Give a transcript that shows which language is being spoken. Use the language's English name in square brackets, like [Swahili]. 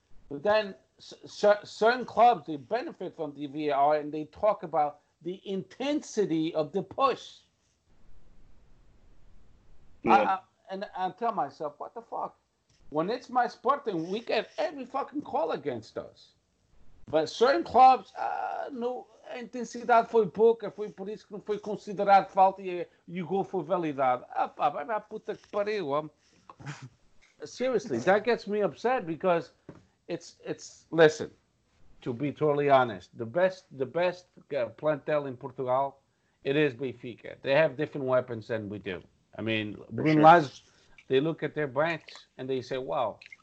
[English] But then certain clubs, they benefit from the VAR and they talk about the intensity of the push. Yeah. I tell myself, what the fuck? When it's my Sporting, we get every fucking call against us. But certain clubs, [Portuguese] no intensidade foi pouca, foi por isso que não foi considerado falta e o gol foi validado. Ah, pá, vai para a puta que pariu. [English] Seriously, that gets me upset because it's listen, to be totally honest, the best plantel in Portugal, it is Benfica. They have different weapons than we do. I mean, Bruno Lage, they look at their bench and they say, wow.